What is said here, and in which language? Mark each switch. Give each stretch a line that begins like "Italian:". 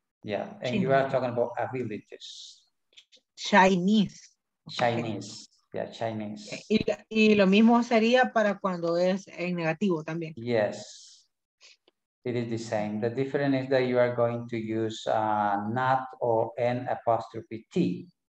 English: Yeah, and Chinese. You are talking about abilities. Chinese. Okay. Yeah, Chinese.
Spanish: Y lo mismo sería para cuando es en negativo también.
English: Yes, it is the same. The difference is that you are going to use not or an apostrophe T.